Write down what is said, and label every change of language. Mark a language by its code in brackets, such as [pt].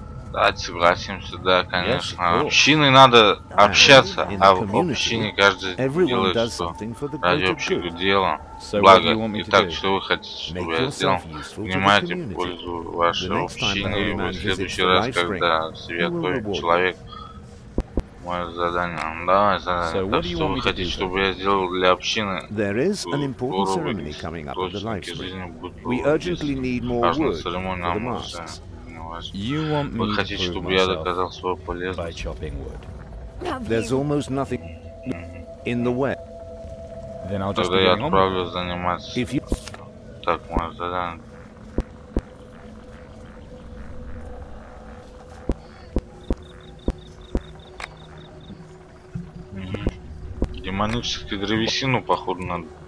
[ru] Да, согласимся, да, конечно. Общиной надо общаться, а в общине каждый делает что ради общего дела. Благо, и так, что вы хотите, чтобы я сделал. Внимайте в пользу вашей общины, и в следующий раз, когда святой человек Мое задание. Давай, задание. Да, что вы хотите, чтобы я сделал для общины? [en] There is an important ceremony coming up in the life stream. We urgently need more wood for the masks. You want me to prove myself by chopping wood? There's almost nothing in the way. Then I'll just go home. If you [ru] так, мое задание. Демоническую древесину, походу, надо.